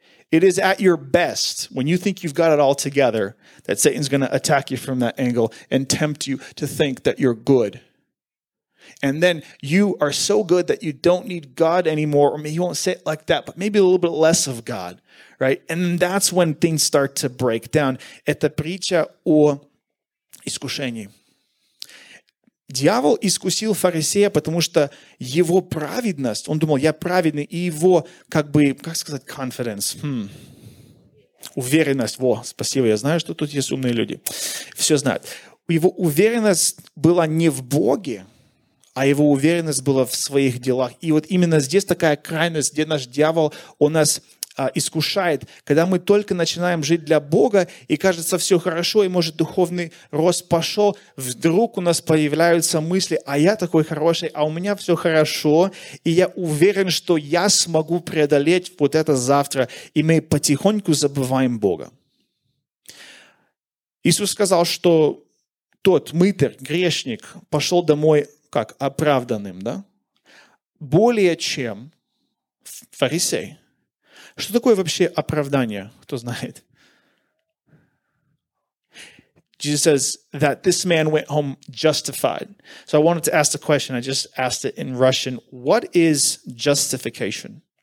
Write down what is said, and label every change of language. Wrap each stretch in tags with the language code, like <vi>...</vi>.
<en>It is at your best when you think you've got it all together that Satan's going to attack you from that angle and tempt you to think that you're good. And then you are so good that you don't need God anymore. Or maybe he won't say it like that, but maybe a little bit less of God, right? And that's when things start to break down.</en> <ru>Это притча о искушении. Дьявол искусил фарисея, потому что его праведность, он думал, я праведный, и его, как бы, как сказать, confidence, уверенность, во, спасибо, я знаю, что тут есть умные люди, все знают. Его уверенность была не в Боге, а его уверенность была в своих делах. И вот именно здесь такая крайность, где наш дьявол, он нас искушает, когда мы только начинаем жить для Бога, и кажется, все хорошо, и может духовный рост пошел, вдруг у нас появляются мысли, а я такой хороший, а у меня все хорошо, и я уверен, что я смогу преодолеть вот это завтра, и мы потихоньку забываем Бога. Иисус сказал, что тот мытарь, грешник, пошел домой как оправданным, да? Более чем фарисей. Что такое вообще оправдание? Кто знает?</ru> <en>Jesus says that this man went home justified. So I wanted to ask the question. I just asked it in Russian. What is justification?</en>